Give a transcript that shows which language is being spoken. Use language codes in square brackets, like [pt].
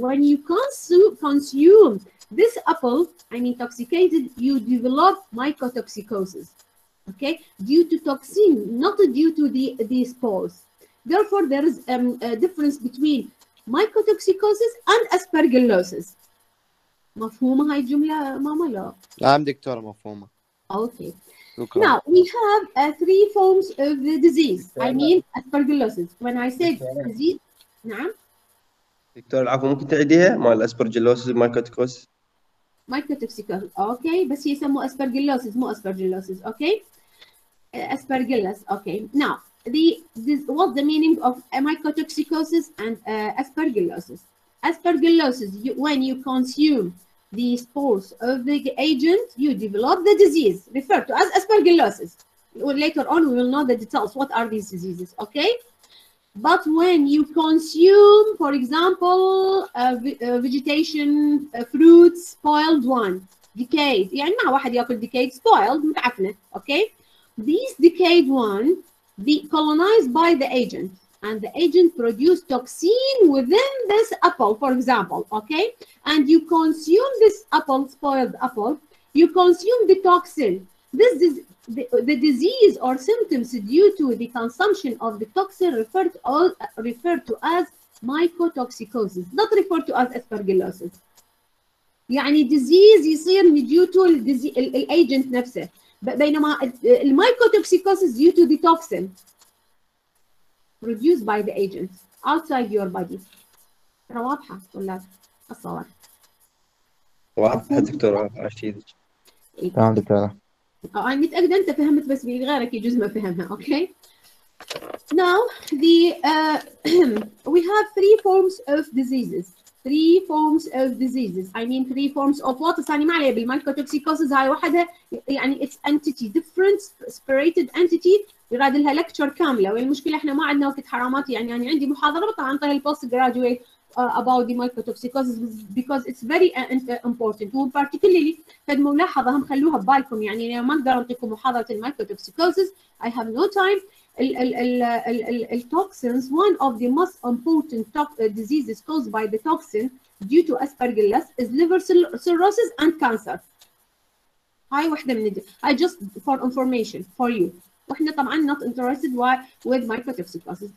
[en] When you consume this apple, I mean intoxicated, you develop mycotoxicosis, okay? Due to toxin, not due to the spores. Therefore, there is a difference between mycotoxicosis and aspergillosis. [ar] مفهومة هاي الجملة ماما لا؟ لا عم دكتورة مفهومة. [en] Okay. Now, we have three forms of the disease. دكتورة. I mean aspergillosis. When I say disease, نعم؟ [ar] دكتورة العفو ممكن تعيديها؟ مع الاسبرجلوسيس والمايكوتوكسيكوسيس؟ [en] Mycotoxicosis. Okay. [ar] بس يسمو aspergillosis, مو aspergillosis. [en] Okay. Aspergillus. Okay. Now, what's the meaning of mycotoxicosis and aspergillosis? Aspergillosis, when you consume the spores of the agent, you develop the disease, referred to as aspergillosis. Later on, we will know the details, what are these diseases, okay? But when you consume, for example, vegetation, fruits, spoiled one, decayed. [ar] يعني ما واحد يأكل [en] decayed, spoiled, [ar] متعفنة, okay? [en] These decayed one, be colonized by the agent, and the agent produce toxin within this apple, for example, okay? And you consume this apple, spoiled apple, you consume the toxin. This is the disease or symptoms due to the consumption of the toxin referred to as mycotoxicosis, not referred to as aspergillosis. يعني disease يصير due to the agent نفسه. بينما المايكوتوكسيكوسيس due to the toxin produced by the agent outside your body. [ar] ترى واضحة ولا الصور؟ واضحة دكتورة أشيدك. تمام دكتورة. أنا متأكدة أنت فهمت بس من غيرك يجوز ما فهمها، أوكي؟ [en] Now the we have three forms of diseases. Three forms of diseases. I mean three forms of what? [ar] يعني ما عليه بالمايكوتوكسيكوسز هاي واحدة يعني [en] it's entity different separated entity. [ar] يراد لها لكتشر كاملة والمشكلة إحنا ما عندنا وقت حرامات يعني أنا عندي محاضرة بطلع عن طريق البوست جراجويت [en] about the mycotoxicosis because it's very important. And particularly, [ar] فد ملاحظة هم خلوها ببالكم يعني أنا ما أقدر أعطيكم محاضرة mycotoxicosis. [en] I have no time. The toxins, one of the most important diseases caused by the toxin due to Aspergillus is liver cirrhosis and cancer. [ar] هاي واحدة من [en] I just for information for you. [ar] واحنا طبعا [en] not interested with mycotoxicosis.